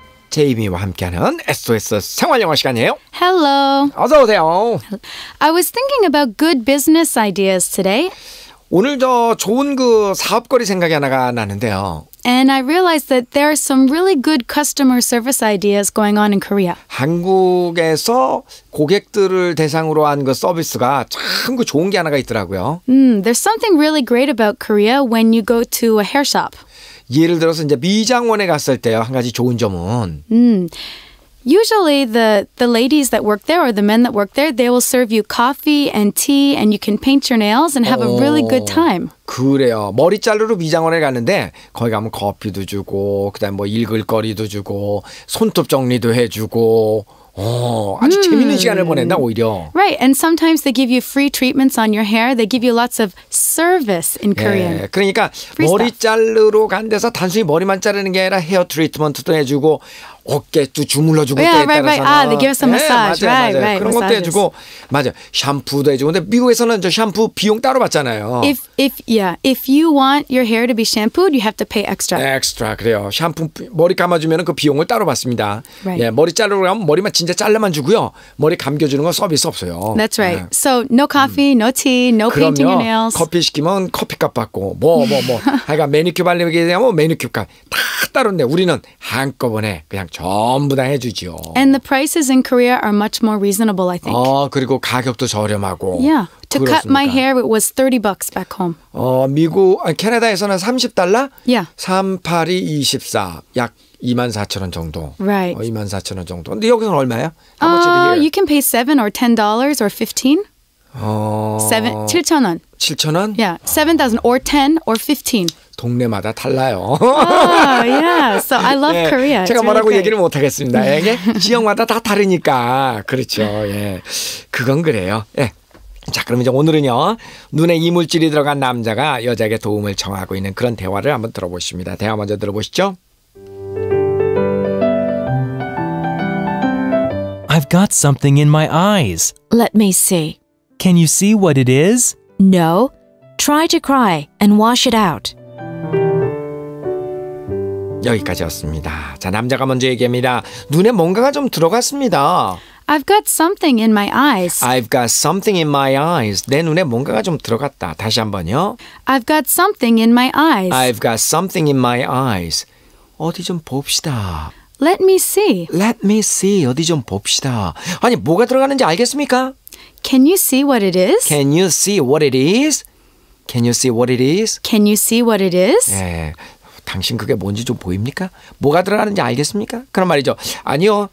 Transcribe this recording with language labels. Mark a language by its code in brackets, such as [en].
[ko] 제이미와 함께하는 SOS 생활영어 시간이에요. [en] Hello. [ko] 어서 오세요. [en] I was thinking about good business ideas today. [ko] 오늘 저 좋은 그 사업거리 생각이 하나가 나는데요. [en] And I realized that there are some really good customer service ideas going on in Korea. [ko] 한국에서 고객들을 대상으로 한 그 서비스가 참 그 좋은 게 하나가 있더라고요. [en] There's something really great about Korea when you go to a hair shop. [ko] 예를 들어서 이제 미장원에 갔을 때요. 한 가지 좋은 점은 [en] Usually the ladies that work there or the men that work there, they will serve you coffee and tea and you can paint your nails and have a really good time. [ko] 그래요. 머리 자르러 미장원에 갔는데 거기 가면 커피도 주고 그다음 뭐 읽을 거리도 주고 손톱 정리도 해 주고 아주 재밌는 시간을 보낸다 오히려. [en] Right, and sometimes they give you free treatments on your hair. They give you lots of service in Korean. [ko] 네, 그러니까 머리 자르러 간 데서 단순히 머리만 자르는 게 아니라 헤어 트리트먼트도 해 주고 어깨도 주물러 주고 때에 따라서 [en] they give us a massage. [ko] 맞아요, 맞아요. [en] Right, right. [ko] 그런 것도 해 주고 맞아. 샴푸도 해 주고 근데 미국에서는 저 샴푸 비용 따로 받잖아요. [en] If you want your hair to be shampooed, you have to pay extra. Extra. [ko] 그래요. 샴푸 머리 감아 주면은 그 비용을 따로 받습니다. [en] Right. [ko] 예, 머리 자르러 가면 머리만 진짜 잘라만 주고요. 머리 감겨 주는 건 서비스 없어요. [en] That's right. [ko] 네. [en] So no coffee, no tea, no painting your nails. [ko] 그럼요. 커피 시키면 커피값 받고 뭐. 하여간 매니큐어 받으려고 하면 매니큐어값 다 따로인데 우리는 한꺼번에 그냥 전부 다 해주죠. [en] And the prices in Korea are much more reasonable, I think. [ko] 그리고 가격도 저렴하고. [en] Yeah. To [ko] 그렇습니까? [en] cut my hair, it was $30 back home. [ko] 캐나다에서는 $30? [en] Yeah. [ko] 38이 24, 약 24,000원 정도. [en] Right. [ko] 24,000원 정도. 근데 여기서는 얼마예요? [en] You can pay $7 or $10 or $15. [ko] 7,000원. 7,000원? [en] Yeah. $7,000 or $10 or $15. [ko] 동네마다 달라요. [en] Oh, yeah. So I love Korea. [ko] 제가 [en] really [ko] 뭐라고 [en] great. [ko] 얘기를 못 하겠습니다. 이게 지역마다 다 다르니까. 그렇죠. 예. 그건 그래요. 예. 자, 그럼 이제 오늘은요. 눈에 이물질이 들어간 남자가 여자에게 도움을 청하고 있는 그런 대화를 한번 들어보십니다. 대화 먼저 들어보시죠. [en] I've got something in my eyes. Let me see. Can you see what it is? No. Try to cry and wash it out. [ko] 여기까지였습니다. 자, 남자가 먼저 얘기합니다. 눈에 뭔가가 좀 들어갔습니다. [en] I've got something in my eyes. I've got something in my eyes. [ko] 내 눈에 뭔가가 좀 들어갔다. 다시 한번요. [en] I've got something in my eyes. I've got something in my eyes. [ko] 어디 좀 봅시다. [en] Let me see. Let me see. [ko] 어디 좀 봅시다. 아니, 뭐가 들어갔는지 알겠습니까? [en] Can you see what it is? Can you see what it is? Can you see what it is? Can you see what it is? [ko] 예. 당신 그게 뭔지 좀 보입니까? 뭐가 들어가는지 알겠습니까? 그런 말이죠. 아니요.